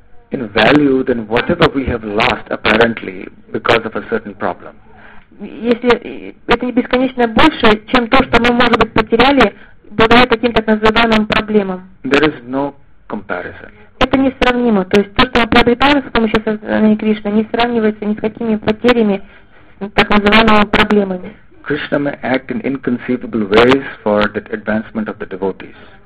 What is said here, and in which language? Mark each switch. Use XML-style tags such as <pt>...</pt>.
<en>In value than whatever we have lost apparently because of a certain problem.</en> <ru>Если это не бесконечно больше, чем то, что мы, может быть, потеряли благодаря таким так называемым проблемам.</ru> <en>There is no comparison.</en> <ru>Это несравнимо. То есть то, что мы приобретаем с помощью сознания Кришны, не сравнивается ни с какими потерями так называемыми проблемами.</ru> <en>Krishna may act in inconceivable ways for the advancement of the devotees.</en>